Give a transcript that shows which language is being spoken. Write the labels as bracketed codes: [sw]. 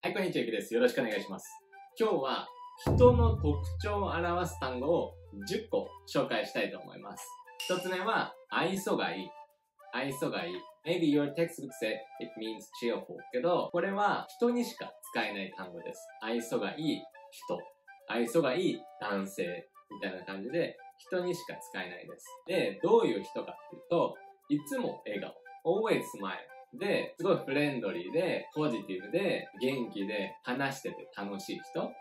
[ja] こんにちは、ゆきです。よろしくお願いします。今日は人の特徴を表す単語を10個紹介したいと思います。 1つ目は、愛想がいい。愛想がいい。 [en] Maybe your textbook said it means cheerful. [ja] けど、これは人にしか使えない単語です。愛想がいい人。愛想がいい男性。みたいな感じで、人にしか使えないです。で、どういう人かっていうと、いつも笑顔。 [en] Always smile. [ja] で、すごいフレンドリーで、ポジティブで、元気で、話してて楽しい人。